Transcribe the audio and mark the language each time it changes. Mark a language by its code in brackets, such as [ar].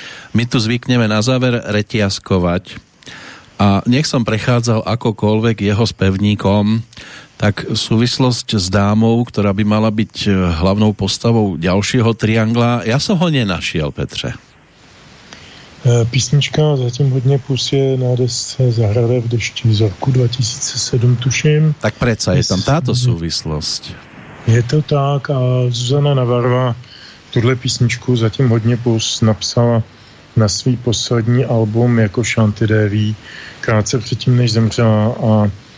[sk] My tu zvykneme na záver retiaskovať. A nech som prechádzal akokoľvek jeho spevníkom, tak súvislosť s dámou, ktorá by mala byť hlavnou postavou ďalšieho Triangla, ja som ho nenašiel, Petře. [cs] Písnička zatím hodně plus je na desce Zahrade v dešti z roku 2007, tuším. [sk] Tak predsa je tam táto súvislosť. [cs] Je to tak a Zuzana Navarva tuhle písničku zatím hodně plus napsala na svý poslední album jako Shanty Devi krátce předtím, než zemřela a